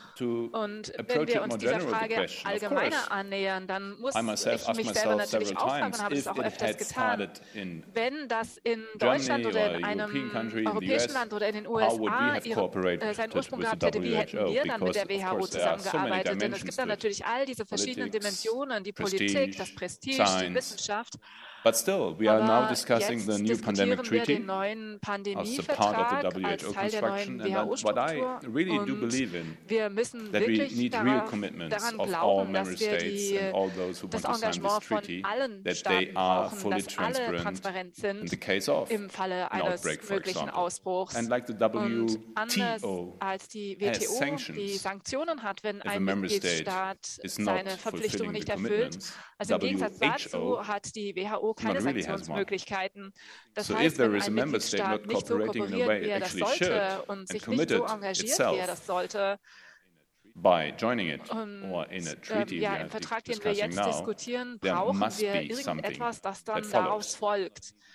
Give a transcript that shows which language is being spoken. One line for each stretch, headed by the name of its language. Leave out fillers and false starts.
German: Und wenn wir uns dieser Frage allgemeiner annähern, dann muss ich mich selber natürlich auch fragen, und habe es auch öfters getan, wenn das in Deutschland oder in einem europäischen Land oder in den USA seinen Ursprung gehabt hätte, wie hätten wir dann mit der WHO zusammengearbeitet, denn es gibt dann natürlich all diese verschiedenen Dimensionen, die Politik, das Prestige, die Wissenschaft.
English: But still, we are now discussing the new pandemic treaty as a part of the WHO construction, and that's what I really do believe in, that we need real commitments of all member states and all those who want to sign this treaty, that they are fully transparent in the case of an outbreak, for example. And like the WTO has sanctions if a member state is not fulfilling the commitment.
German: Also im Gegensatz dazu hat die WHO keine Sanktionsmöglichkeiten. Das heißt, wenn ein Mitgliedstaat nicht so kooperiert, wie er das sollte und sich nicht so engagiert, wie er das sollte,
English: by joining it or in a treaty
German: im Vertrag, den wir jetzt diskutieren, brauchen wir irgendetwas, das dann daraus folgt.